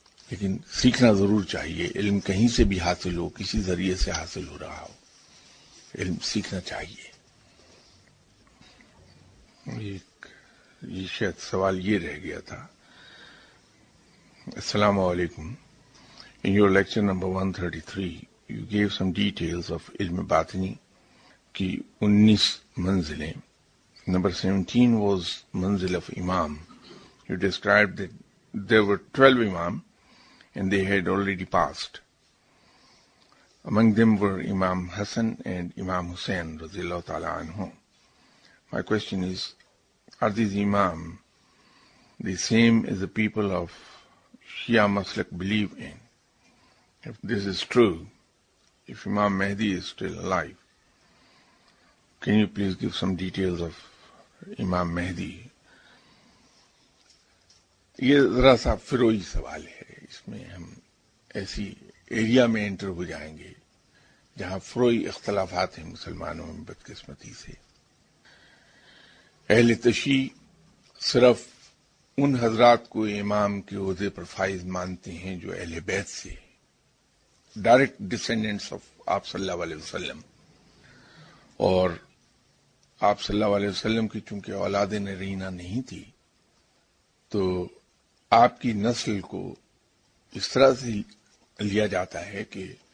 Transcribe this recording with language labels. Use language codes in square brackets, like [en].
[ur] لیکن سیکھنا ضرور چاہیے، علم کہیں سے بھی حاصل ہو، کسی ذریعے سے حاصل ہو رہا ہو، علم سیکھنا چاہیے. یہ شاید سوال یہ رہ گیا تھا. السلام علیکم. [en] In your lecture number 133, you gave some details of [ur] علم باطنی کی 19 منزلیں. [en] Number 17 was manzil of imam. You described that there were 12 imam and they had already passed. Among them were Imam Hassan and Imam Hussain [ar] رضی اللہ تعالیٰ عنہ. [en] My question is, are these imam the same as the people of Shia Maslak believe in? If this is true, if Imam Mahdi is still alive, can you please give some details of Imam Mahdi? [ur] یہ ذرا سا فروئی سوال ہے. اس میں ہم ایسی area میں inter ہو جائیں گے جہاں فروئی اختلافات ہیں مسلمانوں میں بدقسمتی سے. اہل تشیع صرف ان حضرات کو امام کے عہدے پر فائز مانتے ہیں جو اہل بیت سے، [en] direct descendants of [ur] آپ صلی اللہ علیہ وسلم، اور آپ صلی اللہ علیہ وسلم کی چونکہ اولاد نرینہ نہیں تھی تو آپ کی نسل کو اس طرح سے لیا جاتا ہے کہ